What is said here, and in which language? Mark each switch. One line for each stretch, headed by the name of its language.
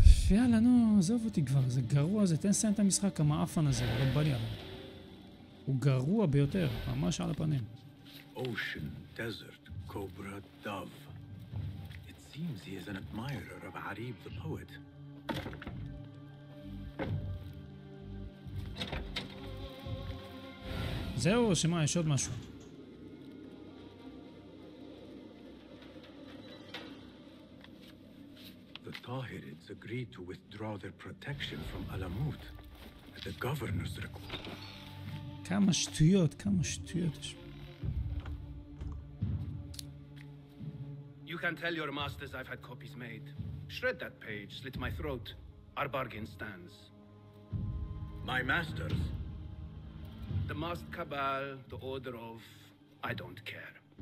Hebrew: יאללה, נו, עזוב אותי כבר, זה גרוע, זה תן סיין את המשחק, המאפן הזה, לא בא לי עליו. הוא גרוע ביותר, ממש על הפנים.
English: Ocean, desert, cobra, dove. It seems he is an admirer of Arib the poet.
Hebrew: זהו, שמה, יש עוד משהו.
English: The Tahirids agreed to withdraw their protection from Alamut at the governor's request.
Hebrew: כמה שטויות, כמה שטויות יש.
English: You can tell your masters I've had copies made. Shred that page, slit my throat. Our bargain stands. My masters? The Masked Cabal, the Order of... I don't care.